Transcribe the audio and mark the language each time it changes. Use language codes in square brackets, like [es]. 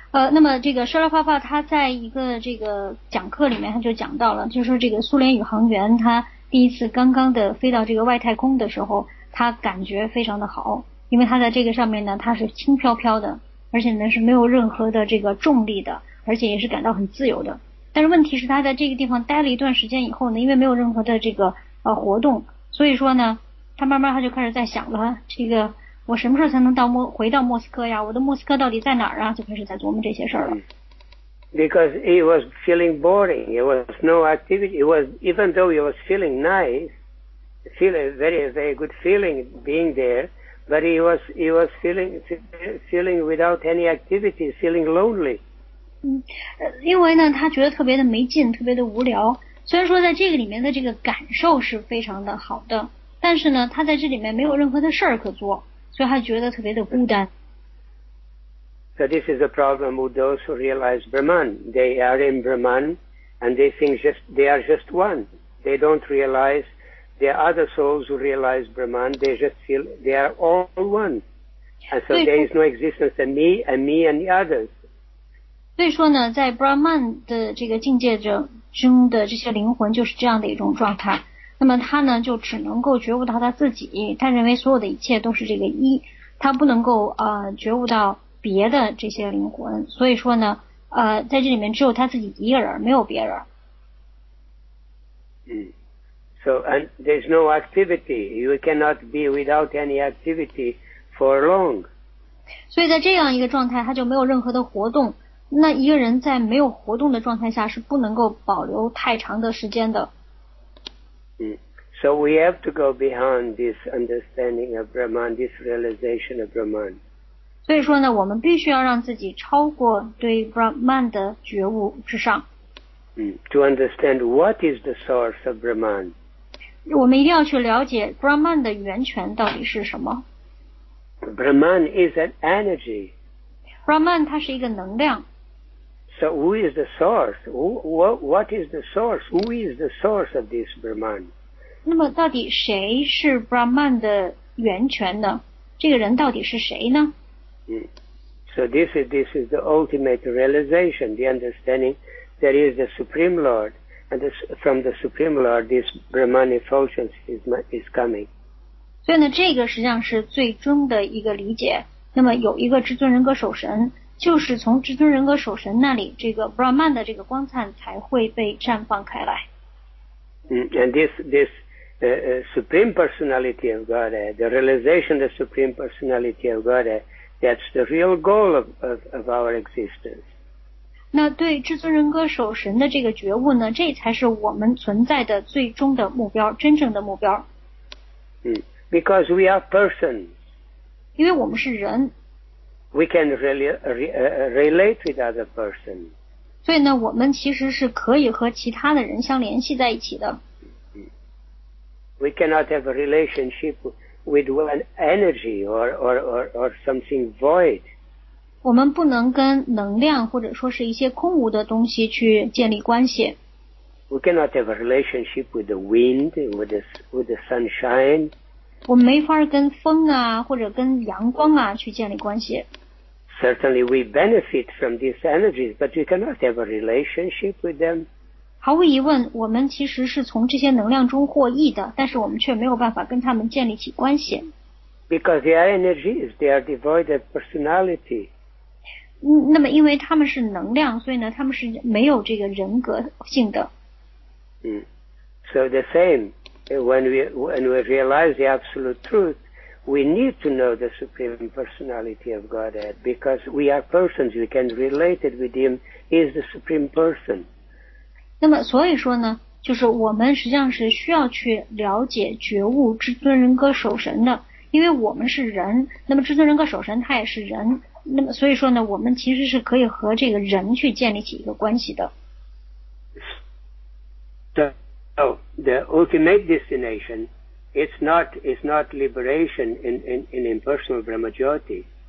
[zh] 那么这个舍勒帕帕他在一个这个讲课里面他就讲到了，就是说这个苏联宇航员他第一次刚刚的飞到这个外太空的时候，他感觉非常的好，因为他在这个上面呢，他是轻飘飘的，而且呢是没有任何的这个重力的，而且也是感到很自由的。但是问题是他在这个地方待了一段时间以后呢，因为没有任何的这个活动，所以说呢，他慢慢他就开始在想了，这个我什么时候才能回到莫斯科呀？我的莫斯科到底在哪儿啊？就开始在琢磨这些事了。 [en] Because he was feeling boring, it was no activity. It was even though he was feeling nice, feeling very very good feeling being there, but he was feeling without any activity, feeling lonely. [zh] 因为呢，他觉得特别的没劲，特别的无聊。虽然说在这个里面的这个感受是非常的好的，但是呢，他在这里面没有任何的事儿可做，所以他觉得特别的孤单。 [en] So this is a problem with those who realize Brahman. They are in Brahman, and they think they are just one. They don't realize there are other souls who realize Brahman. They just feel they are all one. And so there is no existence of me and me and the others. [zh] 所以说呢，在 Brahman 的这个境界中的这些灵魂就是这样的一种状态。那么他呢，就只能够觉悟到他自己。他认为所有的一切都是这个一，他不能够觉悟到别的这些灵魂，所以说呢，在这里面只有他自己一个人，没有别人。 [en] 嗯 ，So and there's no activity. You cannot be without any activity for long. [zh] 所以在这样一个状态，他就没有任何的活动。那一个人在没有活动的状态下，是不能够保留太长的时间的。 [en] 嗯 ，So we have to go beyond this understanding of Brahman, this realization of Brahman. [zh] 所以说呢，我们必须要让自己超过对 Brahman 的觉悟之上。 [en] To understand what is the source of Brahman. [zh] 我们一定要去了解 Brahman 的源泉到底是什么。 [en] Brahman is an energy. [zh] Brahman 它是一个能量。 [en] So who is the source? What is the source? Who is the source of this Brahman? [zh] 那么到底谁是 Brahman 的源泉呢？这个人到底是谁呢？ [en] So this is the ultimate realization, the understanding there is the Supreme Lord, and from the Supreme Lord this Brahman effulgence is coming. [zh] 所以呢，这个实际上是最终的一个理解。那么有一个至尊人格守神，就是从至尊人格守神那里，这个 Brahman 的这个光灿才会被绽放开来。 [en] And this Supreme Personality of Godhead, the realization of the Supreme Personality of Godhead. That's the real goal of our existence. [zh] 那对至尊人格守神的这个觉悟呢，这才是我们存在的最终的目标，真正的目标。 [en] Because we are persons. [zh] 因为我们是人。 [en] We can really relate with other persons. [zh] 所以呢，我们其实是可以和其他的人相联系在一起的。 [en] We cannot have a relationship. With an energy or something void. [zh] 我们不能跟能量或者说是一些空无的东西去建立关系。 [en] We cannot have a relationship with the wind, with the sunshine. [zh] 我们没法跟风啊或者跟阳光啊去建立关系。 [en] Certainly we benefit from these energies, but we cannot have a relationship with them. [zh] 毫无疑问，我们其实是从这些能量中获益的，但是我们却没有办法跟他们建立起关系。 [en] Because their energies, they are devoid of personality. [zh] 那么因为他们是能量，所以呢他们是没有这个人格性的。 [en] So the same, when we realize the absolute truth, we need to know the Supreme Personality of Godhead, because we are persons, we can relate it with Him, He is the Supreme Person. [zh] 那么所以说呢，就是我们实际上是需要去了解觉悟至尊人格守神的，因为我们是人，那么至尊人格守神他也是人，那么所以说呢，我们其实是可以和这个人去建立起一个关系的。 [en] So, the ultimate destination, it's not liberation in impersonal Brahmajyoti.